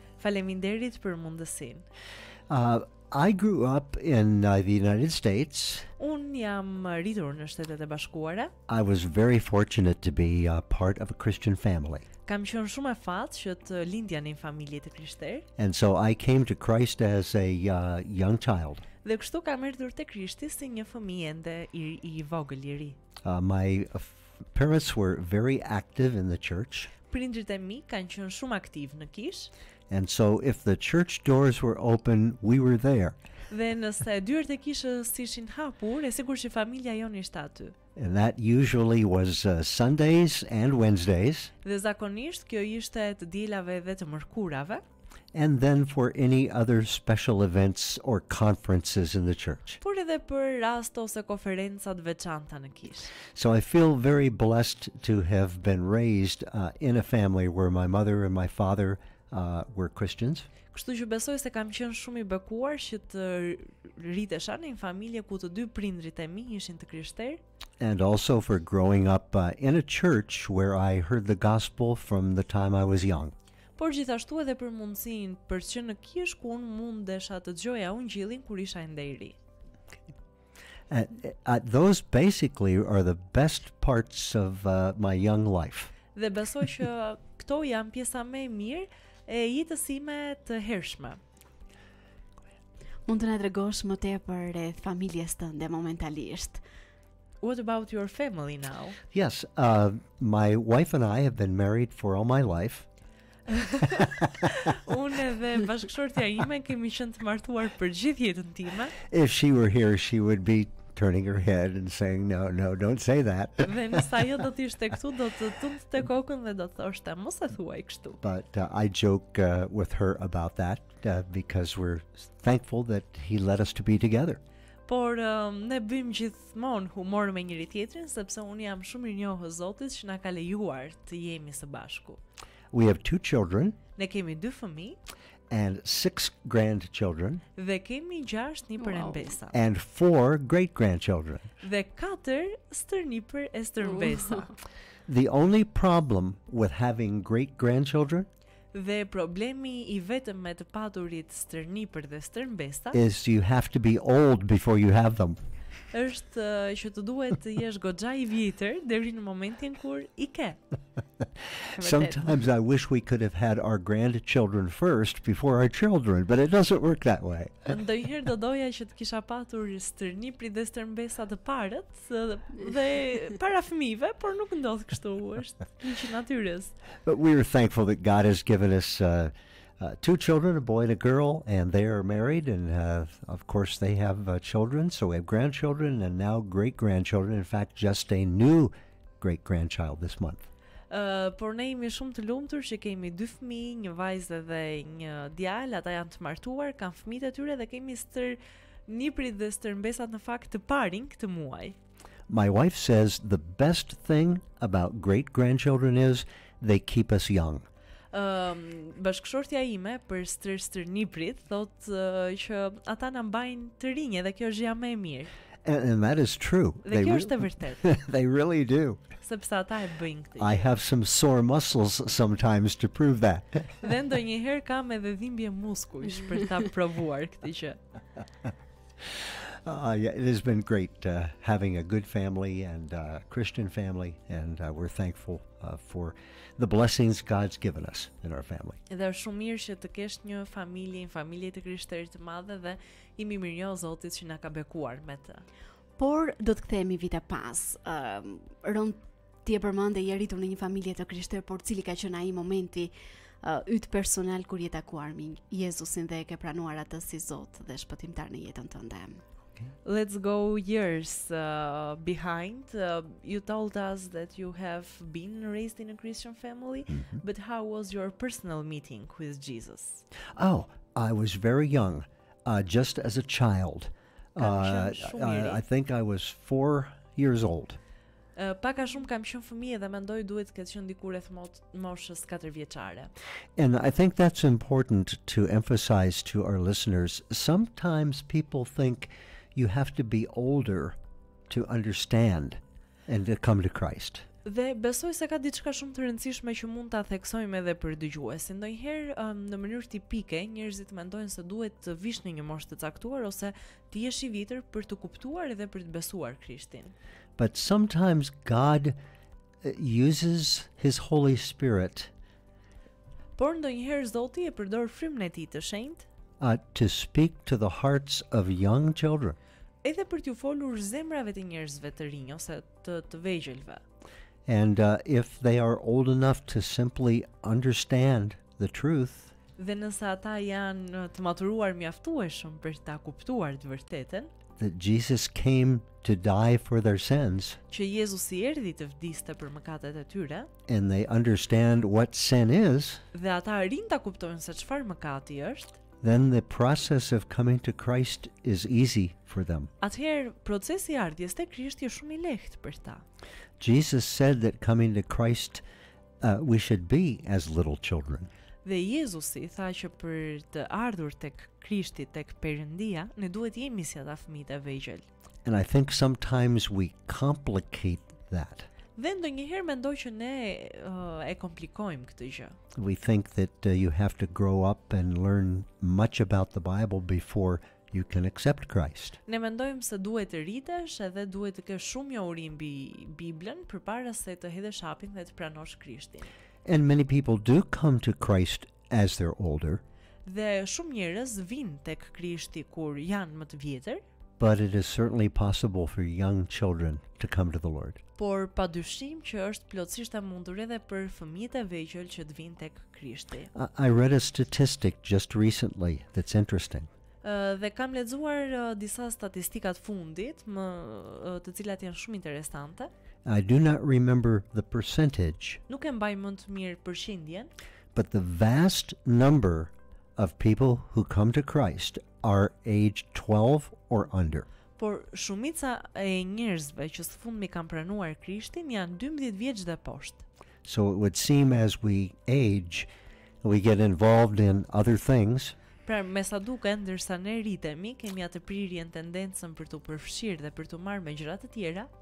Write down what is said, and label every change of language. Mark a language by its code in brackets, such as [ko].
[sq] Faleminderit për mundësinë. [en] I grew up in the United States. [sq] Un jam rritur në Shtetet e Bashkuara. [en] I was very fortunate to be a part of a Christian family. [sq] Kam qenë shumë e fat që të lindja në një familje të krishterë. [en] And so I came to Christ as a young child. [sq] Dhe kështu kam erdhur te Krishti si një fëmijë ende i vogël i ri. [en] My parents were very active in the church. [sq] Prindrit e mi kanë qenë shumë aktiv në kishë. [en] And so if the church doors were open, we were there. [sq] Dhe nëse dyert e kishës ishin hapur, e sigurt që familja jonë ishte aty. [en] And that usually was Sundays and Wednesdays. [sq] Dhe zakonisht kjo ishte të dielave dhe të mërkurave. [en] And then for any other special events or conferences in the church. [sq] Por edhe për rast ose konferenca të veçanta në kishë. [en] So I feel very blessed to have been raised in a family where my mother and my father were Christians. [sq] Kështu që besoj se kam qenë shumë i bekuar që të rritesha në një familje ku të dy prindrit e mi ishin të krishterë. [en] And also for growing up in a church where I heard the gospel from the time I was young. [sq] Por gjithashtu edhe për mundësinë për të qenë në kishë ku unë mundesha të dëgjoja Ungjillin kur isha ende i ri. [en] Those basically are the best parts of my young life. [sq] Dhe besoj që këto janë pjesa më e mirë e jetës ime të hershme. Mund të na tregosh më tepër rreth familjes tënde momentalisht? [en] What about your family now? Yes, my wife and I have been married for all my life. [sq] Unë dhe bashkëshortja ime kemi qenë të martuar për gjithë jetën time. [en] If she were here, she would be turning her head and saying no, don't say that. [sq] Dhe nëse ajo do të ishte këtu, do të tundte kokën dhe do të thoshte mos e thuaj kështu. [en] But I joke with her about that because we're thankful that he let us to be together. [sq] Por ne bëjmë gjithmonë humor me njëri tjetrin sepse unë jam shumë i njohur Zotit që na ka lejuar të jemi së bashku. [en] We have two children. [sq] Ne kemi dy fëmi. [en] And six grandchildren. [sq] Dhe kemi gjashtë nipër e mbesa. [en] And four great grandchildren. [sq] Dhe katër stërnipër e stërmbesa. [en] The only problem with having great grandchildren? [sq] Dhe problemi i vetëm me të paturit stërnipër dhe stërmbesa [en] is you have to be old before you have them. [sq] Është që të duhet të jesh goxha i vjetër deri në momentin kur i ke. [en] Sometimes I wish we could have had our grandchildren first before our children, but it doesn't work that way. [sq] Ndonjëherë do doja që të kisha patur stërniprit dhe stërmbesa të parët dhe para fëmijëve, por nuk ndodh kështu, është një natyrës. [en] But we are thankful that God has given us two children, a boy and a girl, and they are married, and of course they have children, so we have grandchildren and now great-grandchildren, in fact just a new great-grandchild this month. [sq] Por ne jemi shumë të lumtur që kemi dy fëmijë, një vajzë dhe një djalë, ata janë të martuar, kanë fëmijët e tyre dhe kemi stërniprit dhe stërmbesat në fakt të parin këtë muaj. [en] My wife says the best thing about great-grandchildren is they keep us young. [sq] bashkëshortja ime për stërnibrit thotë që ata na mbajnë të rinj dhe kjo është jamë e mirë. [en] And that is true. They [sq] kjo është e vërtetë. [en] They really do. [sq] Sepse ata e bëjnë këtë. [en] I have some sore muscles sometimes to prove that. [sq] Dhe ndonjëherë kam edhe dhimbje muskujsh për ta provuar këtë gjë. [en] Yeah, it has been great having a good family and a Christian family, and we're thankful for the blessings God's given us in our family. [sq] Dhe është shumë mirë që të kesh një familje, një familje të krishterë të madhe, dhe jemi mirënjohës Zotit që na ka bekuar me të. Por do të kthehemi vite pas. Rënd ti e përmendë, je rritur në një familje të krishterë, por cili ka qenë ai momenti yt personal kur je takuar me Jezusin dhe e ke pranuar atë si Zot dhe shpëtimtar në jetën tënde? [en] Let's go years behind. You told us that you have been raised in a Christian family, mm-hmm. but how was your personal meeting with Jesus? Oh, I was very young, just as a child. I think I was 4 years old. [sq] Pak a shumë kam qenë fëmijë dhe mendoj duhet të ketë qenë diku rreth moshës 4 vjeçare. [en] And I think that's important to emphasize to our listeners. Sometimes people think you have to be older to understand and to come to Christ. [sq] Dhe besoj se ka diçka shumë të rëndësishme që mund ta theksojmë edhe për dëgjuesin. Ndonjëherë në mënyrë tipike njerëzit mendojnë se duhet të vish në një moshë të caktuar ose të jesh i vjetër për të kuptuar edhe për të besuar Krishtin. [en] But sometimes God uses his Holy Spirit. [sq] Por ndonjëherë Zoti e përdor frymën e tij të shenjtë. [en] To speak to the hearts of young children. [sq] Edhe për t'ju folur zemrave të njerëzve të rinj ose të vegjëlve. [en] And if they are old enough to simply understand the truth, [sq] dhe nëse ata janë të maturuar mjaftueshëm për ta kuptuar të vërtetën, [en] that Jesus came to die for their sins, [sq] që Jezusi erdhi të vdiste për mëkatet e tyre, [en] and they understand what sin is, [sq] dhe ata rinj ta kuptojnë se çfarë mëkati është, [en] then the process of coming to Christ is easy for them. [sq] Atëherë procesi i ardhjes te Krishti është shumë i lehtë për ta. [en] Jesus said that coming to Christ we should be as little children. [sq] Dhe Jezusi tha që për të ardhur tek Krishti, tek Perëndia, ne duhet jemi si ata fëmijët e vegjël. [en] And I think sometimes we complicate that. [sq] Dhe ndonjëherë mendoj që ne e komplikojmë këtë gjë. [en] We think that you have to grow up and learn much about the Bible before you can accept Christ. [sq] Ne mendojmë se duhet të rritesh edhe duhet të kesh shumë njohuri mbi Biblën përpara se të hedhësh hapin dhe të pranosh Krishtin. [en] And many people do come to Christ as they're older. [sq] Dhe shumë njerëz vijnë tek Krishti kur janë më të vjetër. [en] But it is certainly possible for young children to come to the Lord. [sq] Por padyshim që është plotësisht e mundur edhe për fëmijët e vegjël që të vinë tek Krishti. [en] I read a statistic just recently that's interesting. [sq] Dhe kam lexuar disa statistika të fundit, të cilat janë shumë interesante. [en] I do not remember the percentage. [sq] Nuk e mbaj mend mirë përqindjen. [en] But the vast number of people who come to Christ are aged 12 or under. [sq] Por shumica e njerëzve që së fundmi kanë pranuar Krishtin janë 12 vjeç dhe poshtë. [en] So it would seem as we age, we get involved in other things. [sq] Pra me sa duke, ndërsa ne rritemi, kemi atë prirjen tendencën për të përfshirë dhe për të marrë me gjërat e tjera.